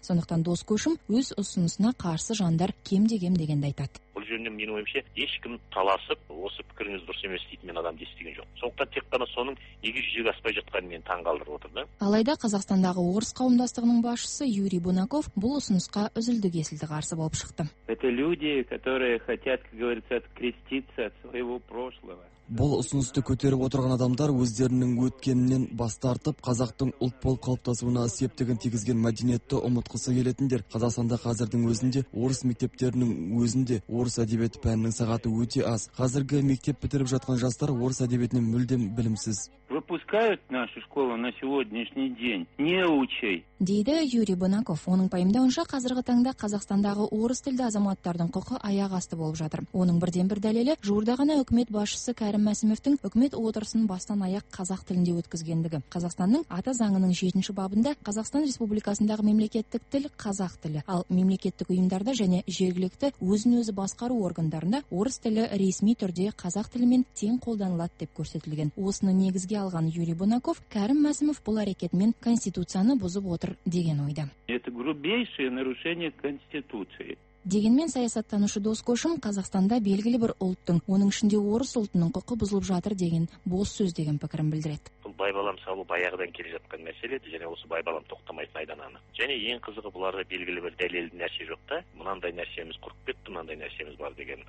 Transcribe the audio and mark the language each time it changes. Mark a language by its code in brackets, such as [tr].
[kk] Сондықтан Дос Көшім өз ұсынысына қарсы жандар кемде-кем дегенді айтады. Бұл жөнінде менің ойымша ешкім таласып, осы пікіріңіз дұрыс емес дейді мен адам естіген жоқ. Сондықтан тек қана соның неге жүзеге аспай жатқанын мен таңғалдырып отырды. Алайда Қазақстандағы орыс қауымдастығының басшысы Юрий Бунаков бұл ұсынысқа үзілді-кесілді қарсы болып шықты. [ru] Это люди, которые хотят, как говорится, откреститься от своего прошлого. [kk] Бұл ұсынысты көтеріп отырған адамдар өздерінің өткенінен бас тартып, қазақтың ұлт болып қалыптасуына септігін тигізген мәдениетті ұмытқысы келетіндер. Қазақстанда қазірдің өзінде орыс мектептерінің өзінде орыс әдебиеті пәнінің сағаты өте аз. Қазіргі мектеп бітіріп жатқан жастар орыс әдебиетінен мүлдем білімсіз. [ru] Вы выпускают нашу школу на сегодняшний день неучей. [kk] Дейді Юрий Бынаков. Оның пайымдауынша, қазіргі таңда Қазақстандағы орыс тілді азаматтардың құқы аяқ асты болып жатыр. Оның бірден бір дәлелі жуырда ғана үкімет басшысы Кәрім Мәсімовтің үкімет отырысын бастан аяқ қазақ тілінде өткізгендігі. Қазақстанның ата заңының 7-ші бабында Қазақстан Республикасындағы мемлекеттік тіл қазақ тілі, ал мемлекеттік ұйымдарда және жергілікті өзін-өзі басқару органдарында орыс тілі ресми түрде қазақ тілімен тең қолданылады деп көрсетілген. Осыны негізге алған Юрий Бынаков, Кәрім Мәсімов бұл әрекетімен конституцияны бұзып деген ойда. [ru] Это грубейшее нарушение конституции. [kk] Дегенмен саясаттанушы Дос Кошым Қазақстанда белгілі бір ұлттың, оның ішінде орыс ұлтының құқы бұзылып жатыр деген бос сөз деген пікірін білдіреді. Бұл байбалам салу баяғыдан келе жатқан мәселе, және осы байбалам тоқтамайтын айдан анық. Және ең қызығы, бұларда белгілі бір дәлелді нәрсе жоқ та, мынандай нәрсеміз құрып кетті, мынандай нәрсеміз бар деген.